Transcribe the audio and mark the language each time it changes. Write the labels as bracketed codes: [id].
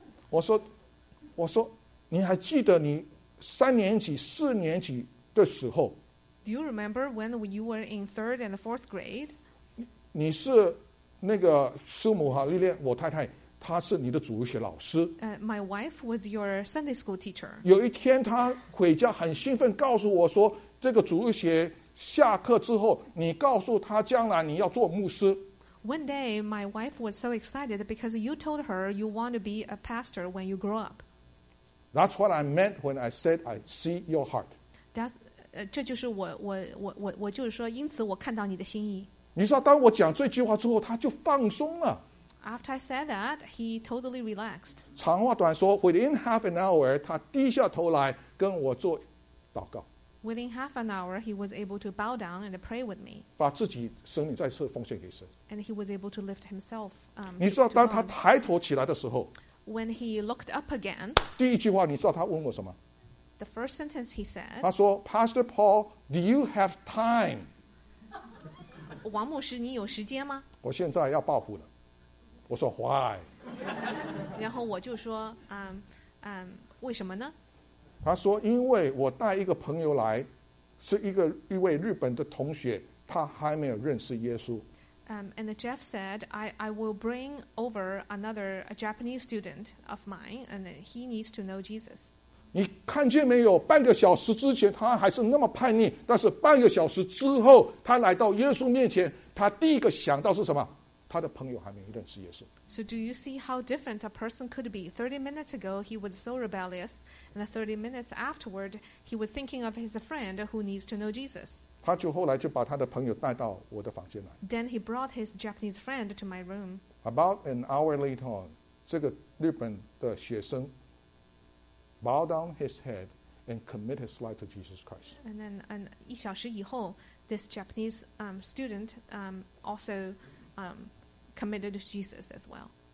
[zh] 我说，你还记得你三年级、四年级的时候 [en] ？Do you remember when you were in third and fourth grade? [zh] 你是那个苏母哈丽莲，我太太，她是你的主日学老师。 [en] My wife was your Sunday school teacher. [zh] 有一天，她回家很兴奋，告诉我说，这个主日学下课之后，你告诉她将来你要做牧师。 [en] One day, my wife was so excited because you told her you want to be a pastor when you grow up. That's what I meant when I said I see your heart. That's, [zh] 这就是我就是说，因此我看到你的心意。你知道，当我讲这句话之后，他就放松了。 [en] After I said that, he totally relaxed. [zh] 长话短说 ， [en] within half an hour, [zh] 他低下头来跟我做祷告。 [en] Within half an hour, he was able to bow down and pray with me. [zh] 把自己生命再次奉献给神。 [en] And he was able to lift himself. [zh] 你知道，当他抬头起来的时候 [en] ，When he looked up again, [zh] 第一句话你知道他问我什么 [en] ？The first sentence he said. [zh] 他说 ， [en] Pastor Paul, do you have time? [zh] 王牧师，你有时间吗？我现在要报复了。我说 ， [en] Why? [zh] 然后我就说，为什么呢？他说因为我带一个朋友来，是一位日本的同学，他还没有认识耶稣。 [en] And Jeff said, I will bring over another a Japanese student of mine, and he needs to know Jesus. [zh] 你看见没有，半个小时之前他还是那么叛逆，但是半个小时之后他来到耶稣面前，他第一个想到是什么？他的朋友还没认识耶稣。 [en] So do you see how different a person could be? 30 minutes ago, he was so rebellious, and 30 minutes afterward, he was thinking of his friend who needs to know Jesus. [zh] 他就后来就把他的朋友带到我的房间来。 [en] Then he brought his Japanese friend to my room. About an hour later on, [zh] 这个日本的学生 [en] bowed down his head and committed his life to Jesus Christ. And then, [zh] 一小时以后 [en] this Japanese student also committed to Jesus as well.